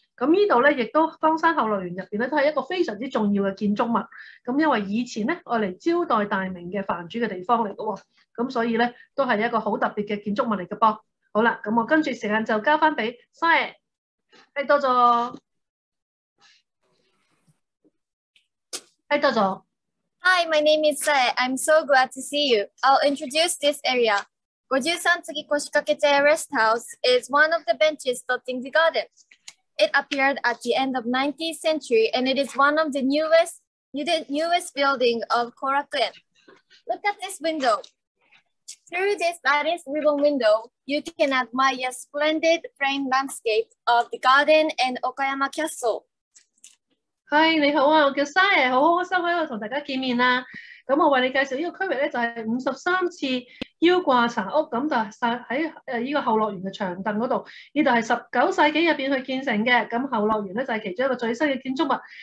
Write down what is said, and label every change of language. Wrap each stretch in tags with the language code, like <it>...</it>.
<yue>咁呢度咧亦都江山後樂園入邊咧都係一個非常之重要嘅建築物，咁因為以前咧愛嚟招待大名嘅藩主嘅地方嚟嘅喎，咁所以咧都係一個好特別嘅建築物嚟嘅噃。好啦，咁我跟住時間就交翻俾 Sae， 係多咗，係多咗。</yue> <en>Hi, my name is Sae. I'm so glad to see you. I'll introduce this area. 53 次腰掛けて rest house is one of the benches dotting the garden. It appeared at the end of 19th century and it is one of the newest building of Korakuen. Look at this window. Through this lattice ribbon window, you can admire a splendid framed landscape of the garden and Okayama Castle.</en> <yue>Hi, 你好啊，我叫 Sae， 好開心喺度同大家見面啦。咁我為你介紹呢個區域咧，就係53次腰掛茶屋，咁就曬喺依個後樂園嘅長凳嗰度。呢度係19世紀入邊去建成嘅，咁後樂園咧就係其中一個最新嘅建築物。</yue>